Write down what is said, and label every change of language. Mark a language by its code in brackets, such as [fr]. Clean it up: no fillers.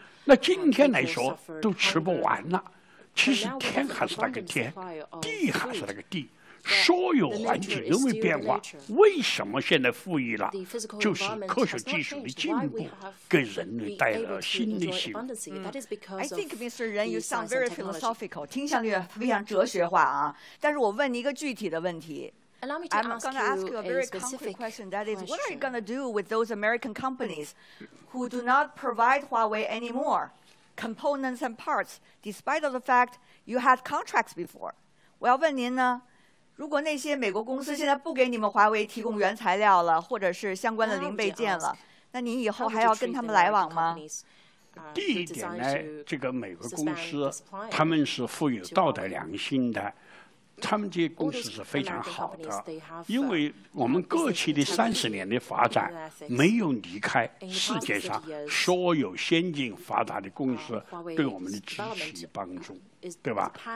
[zh] 那今天来说都吃不完了。其实天还是那个天，地还是那个地，所有环境都会变化。为什么现在富裕了？就是科学技术的进步给人类带来了新的幸福。 [en] I think Mr. Ren, you sound very philosophical, [zh] 听上去非常哲学化啊。但是我问你一个具体的问题。 [en] Allow me to I'm going to ask you a very specific question, that is, what are you going to do with those American companies who do not provide Huawei anymore components and parts, despite of the fact you had contracts before? [zh] 我要问您呢，如果那些美国公司现在不给你们华为提供原材料了，或者是相关的零配件了，那您以后还要跟他们来往吗？第一点呢，这个美国公司他们是富有道德良心的，他们这些公司是非常好的，因为我们过去的三十年的发展没有离开世界上所有先进发达的公司对我们的支持与帮助，对吧？